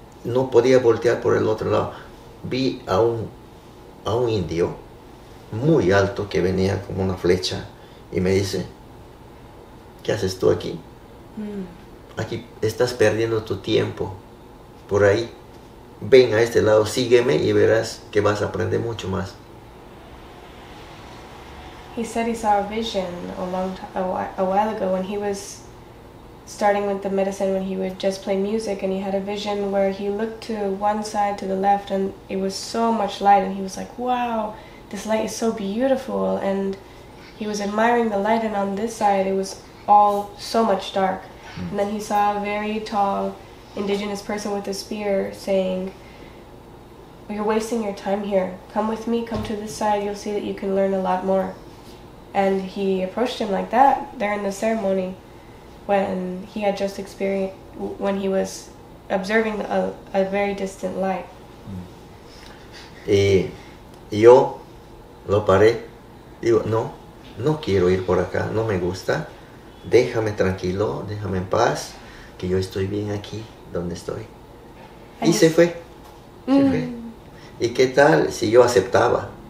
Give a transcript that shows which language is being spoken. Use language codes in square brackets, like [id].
[es] No podía voltear por el otro lado. Vi a un indio muy alto que venía como una flecha y me dice, ¿qué haces tú aquí? Aquí estás perdiendo tu tiempo. Por ahí, ven a este lado, sígueme y verás que vas a aprender mucho más. [en] He said he saw a vision a while ago when he was starting with the medicine, when he would just play music, and he had a vision where he looked to one side, to the left, and it was so much light, and he was like, wow, this light is so beautiful. And he was admiring the light, and on this side it was all so much dark. And then he saw a very tall indigenous person with a spear saying, "You're wasting your time here. Come with me, come to this side, you'll see that you can learn a lot more." And he approached him like that there in the ceremony when he had just experienced, when he was observing a very distant light. [es] Y yo lo paré, digo, no, no quiero ir por acá, no me gusta, déjame tranquilo, déjame en paz, que yo estoy bien aquí donde estoy. Y se fue, se fue. ¿Y qué tal si yo aceptaba?